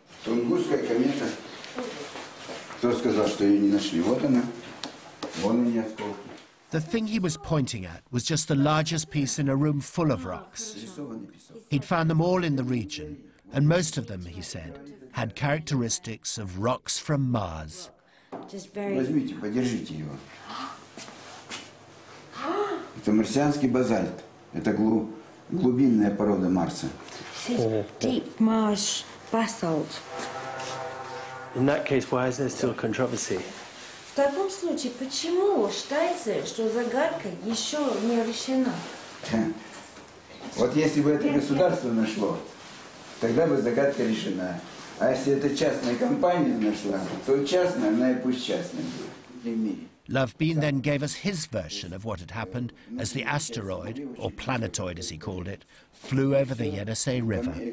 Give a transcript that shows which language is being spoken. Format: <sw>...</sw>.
<en>Tunguska comet.</en> <ru>Кто сказал, что ее не нашли? Вот она.</ru> <en>The thing he was pointing at was just the largest piece in a room full of rocks. He'd found them all in the region, and most of them, he said, had characteristics of rocks from Mars.</en> <ru>Это марсианский базальт. Это глубинная порода Марса.</ru> <en>Deep Mars basalt. In that case, why is there still controversy?</en> <ru>В таком случае, почему считается, что загадка еще не решена? Вот если бы это государство нашло, тогда бы загадка решена. А если это частная компания нашла, то частная, она и пусть частная будет.</ru> <en>Lovebean then gave us his version of what had happened as the asteroid, or planetoid as he called it, flew over the Yenisei River.</en>